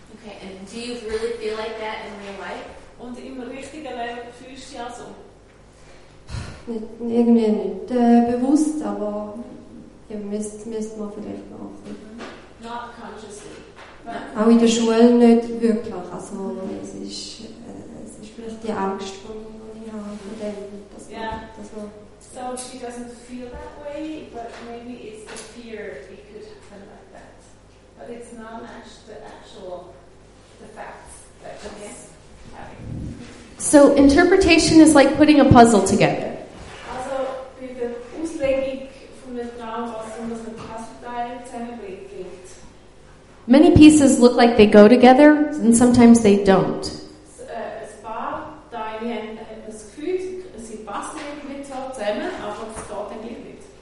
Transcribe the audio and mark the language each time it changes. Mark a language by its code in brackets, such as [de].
[en] Okay, and do you really feel like that in real life? [de] Und im richtigen Leben fühlst du ja so. Irgendwie nicht bewusst, aber ja, müsste man vielleicht machen. [en] Not consciously. [de] Auch in der Schule nicht wirklich. Also es ist vielleicht die Angst, die ich habe, von dem, dass [en] yeah. man... So she doesn't feel that way, but maybe it's the fear it could happen like that. But it's not the facts that she's... Okay. So interpretation is like putting a puzzle together. [de] Also, bei der Auslegung von dem Traum, was um das Puzzleteil zusammenbringt. [en] Many pieces look like they go together, and sometimes they don't. [de] Ein paar Teile haben das Gefühl, sie passen irgendwie zusammen, aber es geht nicht.